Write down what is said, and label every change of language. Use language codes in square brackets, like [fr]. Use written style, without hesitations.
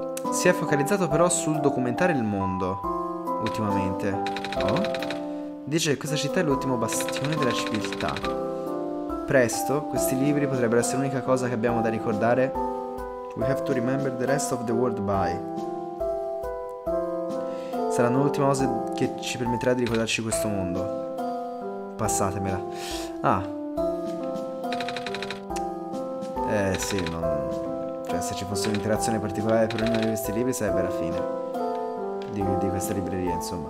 [it] Si è focalizzato però sul documentare il mondo ultimamente. Oh. Dice che questa città è l'ultimo bastione della civiltà. Presto, questi libri potrebbero essere l'unica cosa che abbiamo da ricordare. [en] We have to remember the rest of the world by. [it] Saranno l'ultima cosa che ci permetterà di ricordarci questo mondo. Passatemela. Ah. Sì, non... Cioè, se ci fosse un'interazione particolare per ognuno di questi libri, sarebbe la fine di questa libreria, insomma.